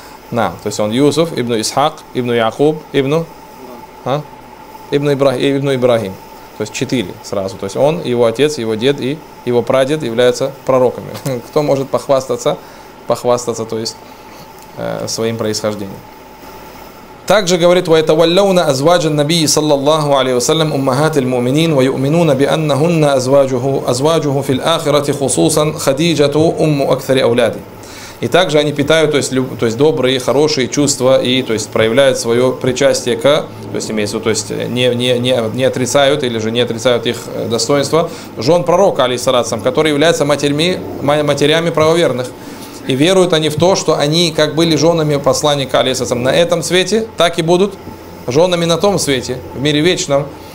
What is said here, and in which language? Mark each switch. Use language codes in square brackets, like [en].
[ru] На, то есть он Юсуф, ибн Исхак, ибн Якуб, ибн, а? ибн Ибрахим. То есть четыре сразу. То есть он, его отец, его дед и его прадед являются пророками. Кто может похвастаться, то есть своим происхождением. Также говорит: [ar] ويتولون أزواج النبي صلى الله عليه وسلم أمهات المؤمنين ويؤمنون بأنهن أزواجه في الآخرة خصوصا خديجة أم أكثر أولاده. [ru] И также они питают, то есть добрые, хорошие чувства и, то есть, проявляют свое причастие к, то есть, имеется, то есть, не отрицают или же не отрицают их достоинства жен пророка, алейхиссалям, которые являются матерями правоверных. И веруют они в то, что они как были женами посланника алейхиссалям на этом свете, так и будут женами на том свете, в мире вечном.